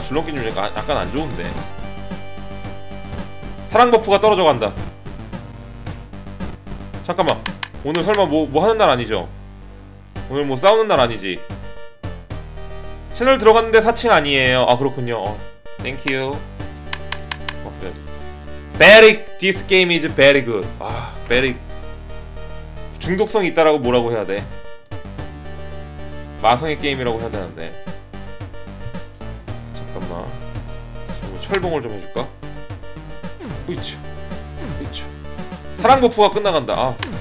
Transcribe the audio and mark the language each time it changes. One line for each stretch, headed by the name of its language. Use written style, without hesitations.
Korean: 줄넘기 좀 약간 안 좋은데. 사랑 버프가 떨어져 간다. 잠깐만 오늘 설마 뭐 하는 날 아니죠? 오늘 뭐 싸우는 날 아니지? 채널 들어갔는데 4층 아니에요. 아 그렇군요. 어.
English: Thank you. That's good. Very, this game is very good.
Korean: 아, very. 중독성이 있다라고 뭐라고 해야 돼? 마성의 게임이라고 해야 되는데. 잠깐만. 뭐 철봉을 좀 해줄까? 으이차. 으이차. 사랑 버프가 끝나간다. 아.